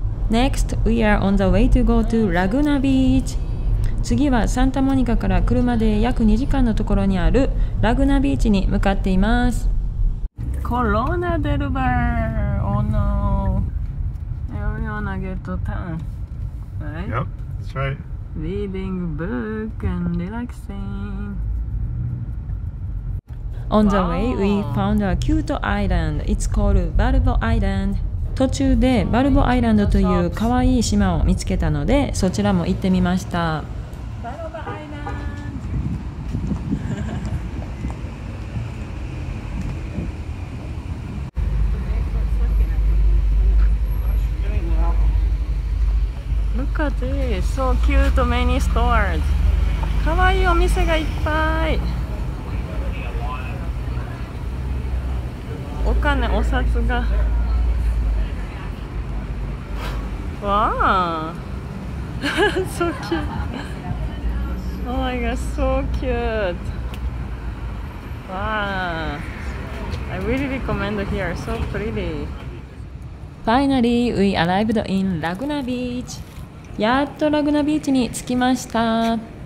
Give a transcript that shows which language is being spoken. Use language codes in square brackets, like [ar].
[en] Next, we are on the way to go to Laguna Beach. [ja] 次はサンタモニカから車で約2時間のところにあるラグナビーチに向かっています。コロナデルバー、 [en] oh no. I wanna get to town. Right? Yep, that's right. Reading book and relaxing. On the way, we found a cute island. It's called Balbo Island. [ja] 途中でバルボアイランドというかわいい島を見つけたのでそちらも行ってみました。 [en] バルボアイランド Look at this, so cute, many stores. [ja] かわいいお店がいっぱい。お金、お札が。 [en] わあ、so cute. Oh my god, so cute. Wow, I really recommend here. So pretty. Finally, we arrived in Laguna Beach. [ja] やっとラグナビーチに着きました。